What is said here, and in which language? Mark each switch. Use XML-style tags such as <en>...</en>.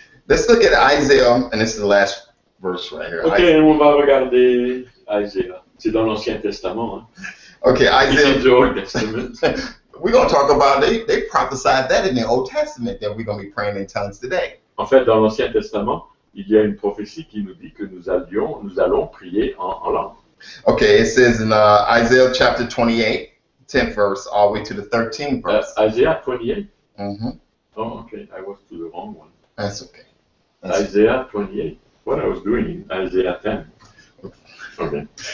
<en>Let's look at Isaiah, and this is the last verse right here.</en> <fr>Ok, on va regarder Isaiah. C'est dans l'Ancien Testament. Hein.</fr> <en>Ok, Isaiah. It's the Old Testament. We're going to talk about, they prophesied that in the Old Testament, that we're going to be praying in tongues today.</en> <fr>En fait, dans l'Ancien Testament, il y a une prophétie qui nous dit que nous allons prier en langue.</fr> <en>OK, it says in Isaiah chapter 28, 10th verse, all the way to the 13th verse. Isaiah 28? Mm-hmm. Oh, OK, I was to the wrong one. That's OK. Isaiah 28. What I was doing in Isaiah 10. OK.</en>